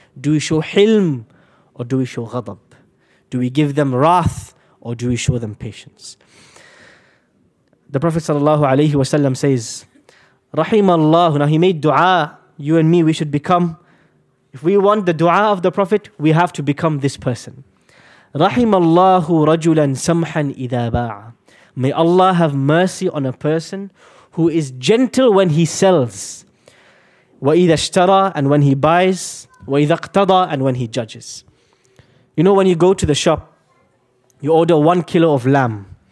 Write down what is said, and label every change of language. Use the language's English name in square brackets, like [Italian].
[English] Do we show hilm or do we show ghadab? Do we give them wrath or do we show them patience? The Prophet sallallahu alayhi wa sallam says, Rahim Allah. Now he made dua. You and me, we should become, if we want the dua of the Prophet, we have to become this person. [Arabic] رحم الله رجلا سمحا إذا باع. [English] May Allah have mercy on a person who is gentle when he sells. [Arabic] وإذا اشترى, [English] and when he buys. [Arabic] وإذا اقتضى, [English] and when he judges. You know, when you go to the shop, you order 1 kilo of lamb.